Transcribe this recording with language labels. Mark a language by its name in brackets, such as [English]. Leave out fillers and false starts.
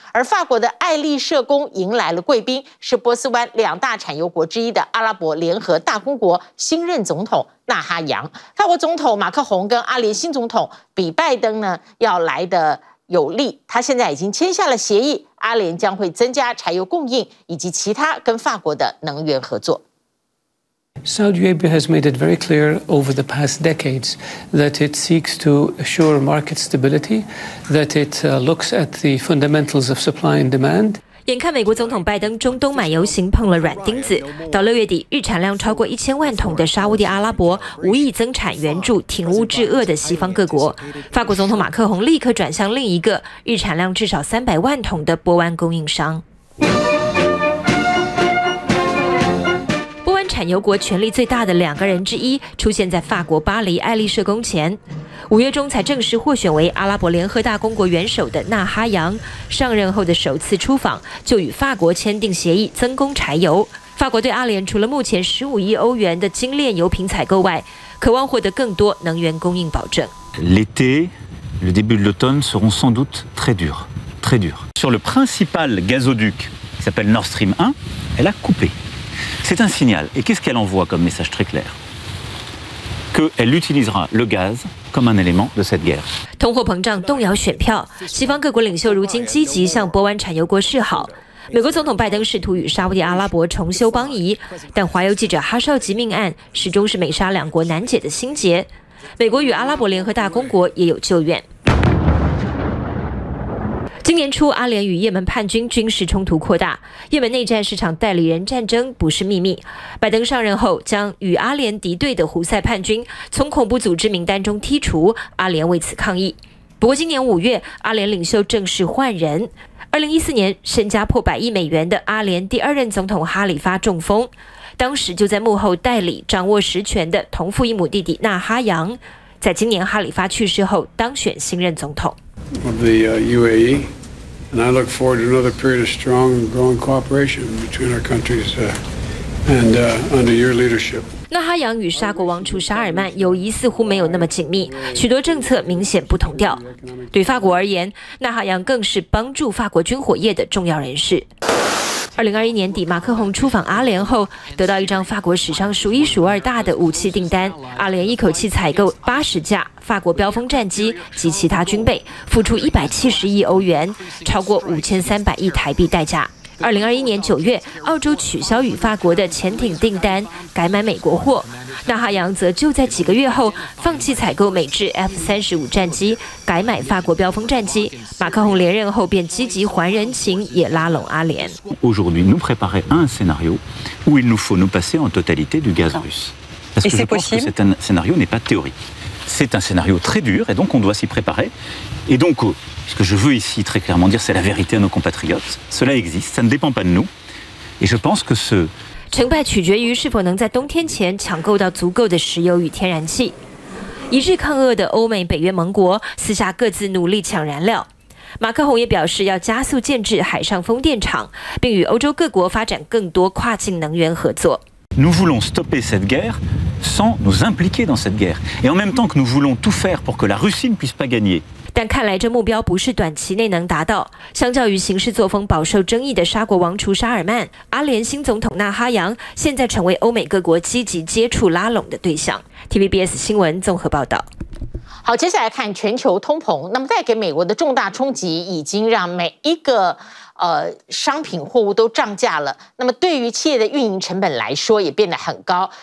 [Chinese] 而法国的爱丽舍宫迎来了贵宾，是波斯湾两大产油国之一的阿拉伯联合大公国新任总统纳哈扬。法国总统马克宏跟阿联新总统比拜登呢要来的有利，他现在已经签下了协议，阿联将会增加柴油供应以及其他跟法国的能源合作。 [English] Saudi Arabia has made it very clear over the past decades that it seeks to assure market stability, that it looks at the fundamentals of supply and demand. [Chinese] 眼看美国总统拜登中东买油行碰了软钉子，到六月底，日产量超过1000万桶的沙烏地阿拉伯无意增产，援助挺乌制俄的西方各国。法国总统马克宏立刻转向另一个日产量至少300万桶的波湾供应商。产油国权力最大的两个人之一出现在法国巴黎爱丽舍宫前，五月中才正式获选为阿拉伯联合大公国元首的纳哈扬，上任后的首次出访就与法国签订协议增供柴油。法国对阿联除了目前15亿欧元的精炼油品采购外，渴望获得更多能源供应保证。 [French] L'été, le début de l'automne seront sans doute très durs, très durs. Sur le principal gazoduc qui s'appelle Nord Stream 1, elle a coupé. C'est un signal. Et qu'est-ce qu'elle envoie comme message très clair ? Qu'elle utilisera le gaz comme un élément de cette guerre. [Chinese] 通货膨胀动摇选票，西方各国领袖如今积极向波湾产油国示好。美国总统拜登试图与沙烏地阿拉伯重修邦谊，但华油记者哈绍吉命案始终是美沙两国难解的心结。美国与阿拉伯联合大公国也有旧怨。今年初，阿联与也门叛军军事冲突扩大，也门内战是场代理人战争不是秘密。拜登上任后将与阿联敌对的胡塞叛军从恐怖组织名单中剔除，阿联为此抗议。不过今年五月，阿联领袖正式换人。2014年，身家破100亿美元的阿联第二任总统哈里发中风，当时就在幕后代理掌握实权的同父异母弟弟纳哈扬，在今年哈里发去世后当选新任总统。 [English] Of the UAE, and I look forward to another period of strong and growing cooperation between our countries, and under your leadership. [Chinese] 纳哈扬与沙国王储沙尔曼友谊似乎没有那么紧密，许多政策明显不同调。对法国而言，纳哈扬更是帮助法国军火业的重要人士。 2021年底，马克宏出访阿联后，得到一张法国史上数一数二大的武器订单。阿联一口气采购80架法国飙风战机及其他军备，付出170亿欧元，超过5300亿台币代价。 2021年9月，澳洲取消与法国的潜艇订单，改买美国货。纳哈扬则就在几个月后放弃采购美制 F-35 战机，改买法国飙风战机。马克宏连任后便积极还人情，也拉拢阿联。 [French] Aujourd'hui, nous préparons un scénario où il nous faut nous passer en totalité du gaz russe. Parce que je pense que c'est un scénario n'est pas théorique. C'est un scénario très dur et donc on doit s'y préparer. Et donc, ce que je veux ici très clairement dire, c'est la vérité à nos compatriotes. Cela existe, ça ne dépend pas de nous. Et je pense que ce [Chinese] 成败取决于是否能在冬天前抢购到足够的石油与天然气。一致抗俄的欧美、北约盟国私下各自努力抢燃料。马克宏也表示要加速建制海上风电厂，并与欧洲各国发展更多跨境能源合作。 [French] Nous voulons stopper cette guerre sans nous impliquer dans cette guerre, et en même temps que nous voulons tout faire pour que la Russie ne puisse pas gagner. [Chinese] 但看来这目标不是短期内能达到。相较于行事作风饱受争议的沙国王储沙尔曼，阿联新总统纳哈扬现在成为欧美各国积极接触拉拢的对象。 TVBS 新闻综合报道。好，接下来看全球通膨，那么带给美国的重大冲击已经让每一个商品货物都涨价了，那么对于企业的运营成本来说也变得很高。